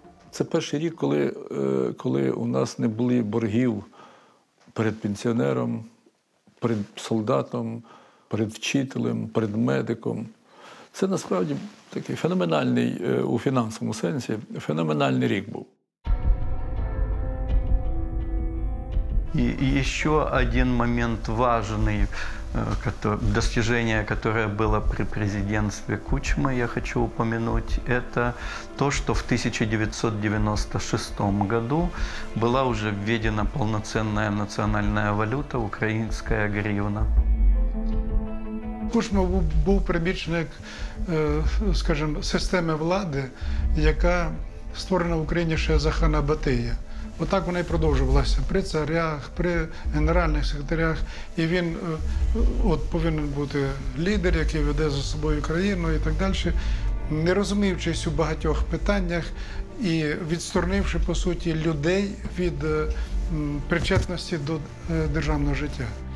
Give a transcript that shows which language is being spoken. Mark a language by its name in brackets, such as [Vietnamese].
[Ukrainian] Це перший рік, коли у нас не були боргів перед пенсіонером, перед солдатом, перед вчителем, перед медиком. Це насправді такий феноменальний у фінансовому сенсі, феноменальний рік був. І ще один момент важливий, [Russian] достижение, которое было при президентстве Кучмы, я хочу упомянуть, это то, что в 1996 году была уже введена полноценная национальная валюта, украинская гривна. [Ukrainian] Кучма был прибічник, [Russian] скажем, системы [Ukrainian] влады, яка створена в Украине ще за хана Батия. Отак вона і продовжувалася при царях, при генеральних секретарях. І він от повинен бути лідер, який веде за собою країну і так далі, не розуміючись у багатьох питаннях і відсторонивши, по суті, людей від причетності до державного життя.